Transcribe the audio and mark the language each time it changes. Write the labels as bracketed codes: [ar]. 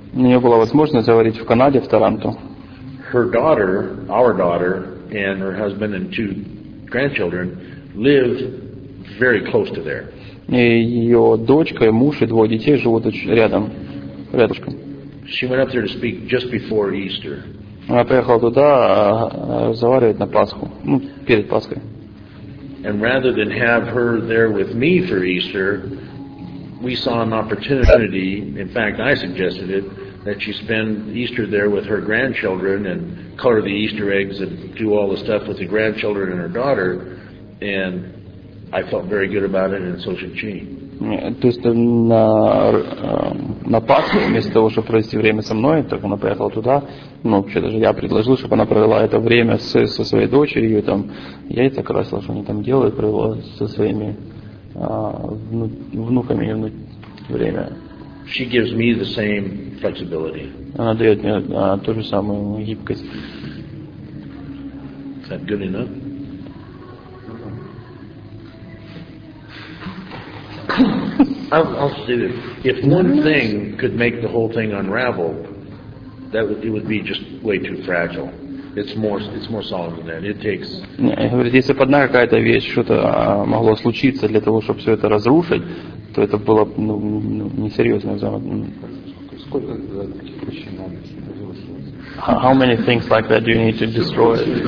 [ru] У нее была возможность говорить в Канаде, в Торонто. [en] Her daughter, our daughter, and her husband and two grandchildren lived very close to there. [ru] И ее дочка, и муж, и двое детей живут очень рядом. рядышком. [en] She went up there to speak just before Easter. [ru] Она приехала туда разговаривать на Пасху, ну, перед Пасхой. [en] And rather than have her there with me for Easter, we saw an opportunity, in fact, I suggested it, that she spend Easter there with her grandchildren and color the Easter eggs and do all the stuff with the grandchildren and her daughter, and I felt very good about it, and so should she. [ru] То есть на Пасху, вместо того, чтобы провести время со мной, так она поехала туда, ну, вообще даже я предложил, чтобы она провела это время со своей дочерью, там, яйца красила, что они там делают, провела со своими внуками время. [en] She gives me the same flexibility. [ru] Она дает мне ту же самую гибкость. [en] Is that good enough? I'll say this. If one thing could make the whole thing unravel, that would, it would be just way too fragile. It's more solid than that. It takes. [ru] Говорит, если бы одна какая-то вещь что-то могло случиться для того, чтобы все это разрушить, то это было ну несерьезно. Сколько таких вещей надо? [en] How many things like that do you need to destroy?